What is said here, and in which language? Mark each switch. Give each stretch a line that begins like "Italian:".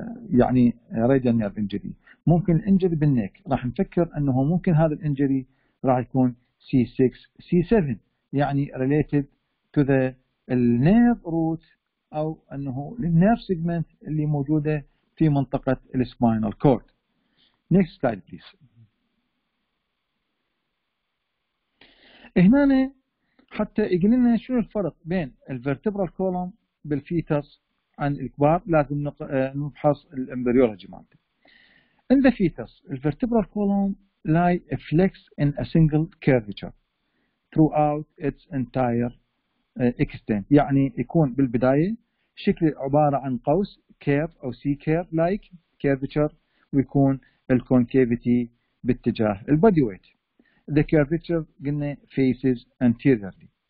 Arabic: يعني ريجن نيرف انجري ممكن انجري بالنيك، راح نفكر انه ممكن هذا الانجري راح يكون سي 6 سي 7 يعني
English: related to the النيرف root
Arabic: او انه للنيرف سيجمنت اللي موجوده في منطقه السباينال كورد.
English: Next slide please.
Arabic: هنا حتى يقول لنا شنو الفرق بين الفيرتبرال كولوم بالفيتس عن الكبار، لازم نفحص الامبريولوجي مالته.
English: In the fetus, the vertebral column lie flex in a single curvature throughout its entire extent.
Arabic: يعني يكون بالبداية شكل عبارة عن قوس curve أو
English: C-curve like curvature،
Arabic: ويكون الconcavity باتجاه
English: the body weight. The curvature
Arabic: قلنا
English: faces anteriorly.